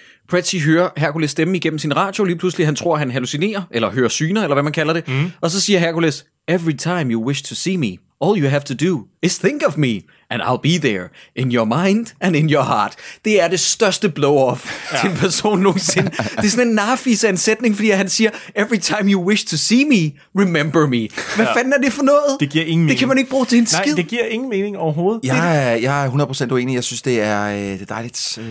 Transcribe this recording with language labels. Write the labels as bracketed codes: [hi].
[da] Pretty hører Hercules stemme igennem sin radio, lige pludselig han tror, han hallucinerer, eller hører syner, eller hvad man kalder det. Mm. Og så siger Hercules, [en] every time you wish to see me, all you have to do is think of me, and I'll be there, in your mind and in your heart. [da] Det er det største blow-off til en person nogensinde. Det er sådan en narfis af en sætning, fordi han siger, [en] every time you wish to see me, remember me. [da] Hvad fanden er det for noget? Det giver ingen mening. Det kan man ikke bruge til en skid. Nej, det giver ingen mening overhovedet. Jeg er 100% uenig. Jeg synes, det er dejligt.